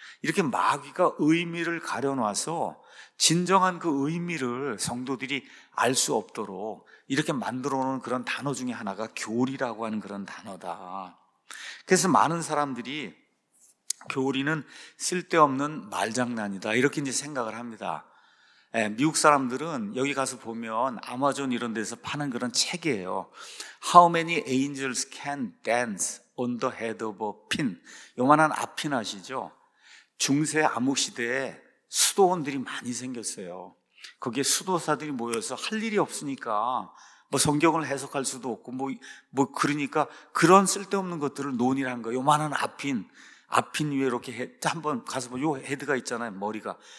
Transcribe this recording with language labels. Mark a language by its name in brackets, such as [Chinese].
[Korean] 이렇게 마귀가 의미를 가려놔서 진정한 그 의미를 성도들이 알 수 없도록 이렇게 만들어 놓은 그런 단어 중에 하나가 교리라고 하는 그런 단어다. 그래서 많은 사람들이 교리는 쓸데없는 말장난이다 이렇게 이제 생각을 합니다. 미국 사람들은 여기 가서 보면 아마존 이런 데서 파는 그런 책이에요. [English] How many angels can dance on the head of a pin? [Korean] 요만한 앞핀 아시죠? 중세 암흑시대에 수도원들이 많이 생겼어요. 거기에 수도사들이 모여서 할 일이 없으니까 뭐 성경을 해석할 수도 없고 뭐 그러니까 그런 쓸데없는 것들을 논의를 한 거예요. 요만한 앞핀 위에 이렇게 한번 가서 뭐 요 헤드가 있잖아요. 머리가.